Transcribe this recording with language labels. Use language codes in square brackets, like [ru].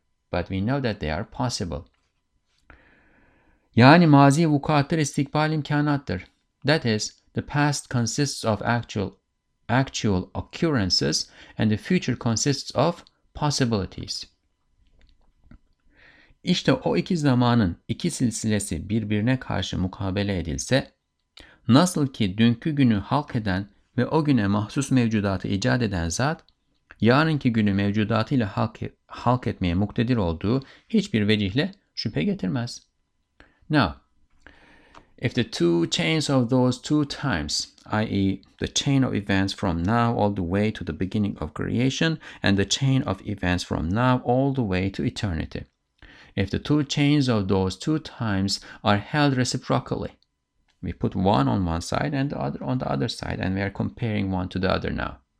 [en] But we know that they are possible. [tr] Yani mazi vukuattır istikbal imkanattır. [en] That is, the past consists of actual actual occurrences, and the future consists of possibilities. [tr] İşte o iki zamanın iki silsilesi birbirine karşı mukabele edilse, nasıl ki dünkü günü halk eden ve o güne mahsus mevcudatı icat eden zat, yarınki günü mevcudatıyla halk etmeye muktedir olduğu hiçbir vecihle şüphe getirmez. [en] Now, if the two chains of those two times, i.e. the chain of events from now all the way to the beginning of creation and the chain of events from now all the way to eternity, if the two chains of those two times are held reciprocally, we put one on one side and the other on the other side, and we are comparing one to the other now.